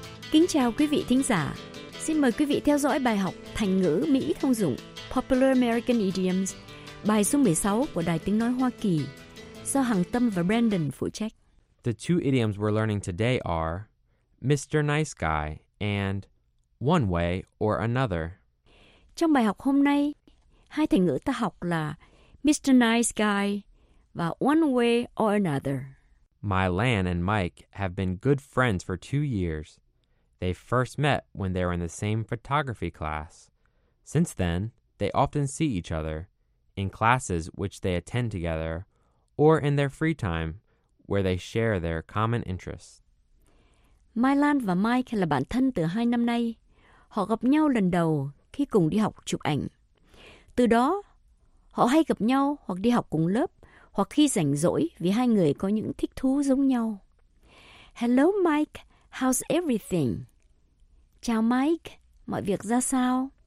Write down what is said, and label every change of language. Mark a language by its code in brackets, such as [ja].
[vi] Kính chào quý vị thính giả. Xin mời quý vị theo dõi bài học thành ngữ Mỹ thông dụng Popular American Idioms, bài số 16 của Đài Tiếng Nói Hoa Kỳ, do Hằng Tâm và Brandon phụ trách. [en] The two idioms we're learning today are Mr. Nice Guy and One Way or Another. [vi] Trong bài học hôm nay, hai thành ngữ ta học là Mr. Nice Guy và One Way or Another. [en] My Lan and Mike have been good friends for 2 years. They first met when they were in the same photography class. Since then, they often see each other in classes which they attend together or in their free time where they share their common interests. [vi] Mai Lan và Mike là bạn thân từ 2 năm nay. Họ gặp nhau lần đầu khi cùng đi học chụp ảnh. Từ đó, họ hay gặp nhau hoặc đi học cùng lớp hoặc khi rảnh rỗi vì hai người có những thích thú giống nhau. [en] Hello Mike, how's everything? [vi] Chào Mike, mọi việc ra sao?